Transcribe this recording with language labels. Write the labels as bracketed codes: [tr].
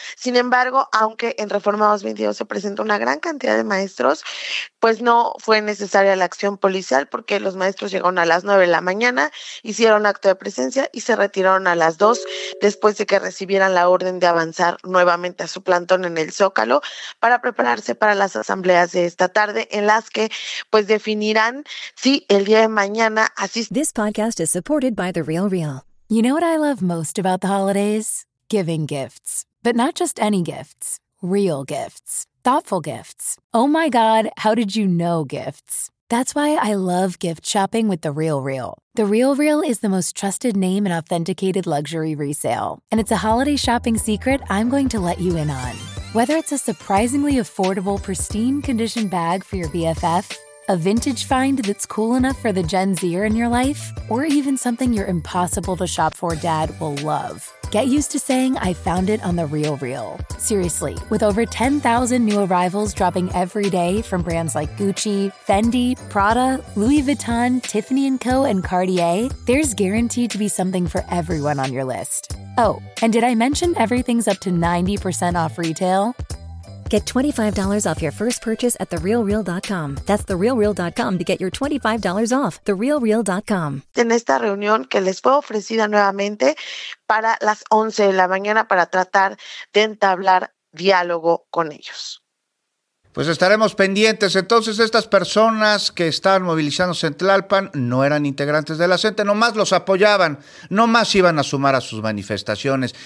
[es] Sin embargo, aunque en Reforma 222 se presentó una gran cantidad de maestros, pues no fue necesaria la acción policial porque los maestros llegaron a las 9 de la mañana, hicieron acto de presencia y se retiraron a las 2 después de que recibieran la orden de avanzar nuevamente a su plantón en el Zócalo para prepararse para las asambleas de esta tarde en las que pues definirán si el día de mañana asisten. [en] This podcast is supported by The Real Real. You know what I love most about the holidays? Giving gifts. But not just any gifts. Real gifts. Thoughtful gifts. Oh my God, how did you know gifts? That's why I love gift shopping with The Real Real. The Real Real is the most trusted name in authenticated luxury resale. And it's a holiday shopping secret I'm going to let you in on. Whether it's a surprisingly affordable, pristine condition bag for your BFF, a vintage find that's cool enough for the Gen Zer in your life, or even something your impossible to shop for dad will love. Get used to saying, I found it on The Real Real. Seriously, with over 10,000 new arrivals dropping every day from brands like Gucci, Fendi, Prada, Louis Vuitton, Tiffany & Co., and Cartier, there's guaranteed to be something for everyone on your list. Oh, and did I mention everything's up to 90% off retail? Get $25 off your first purchase at TheRealReal.com. That's TheRealReal.com to get your $25 off. TheRealReal.com. [es] En esta reunión que les fue ofrecida nuevamente para las 11 de la mañana para tratar de entablar diálogo con ellos. Pues estaremos pendientes. Entonces, estas personas que estaban movilizándose en Tlalpan no eran integrantes de la CENTE, nomás los apoyaban, nomás iban a sumar a sus manifestaciones.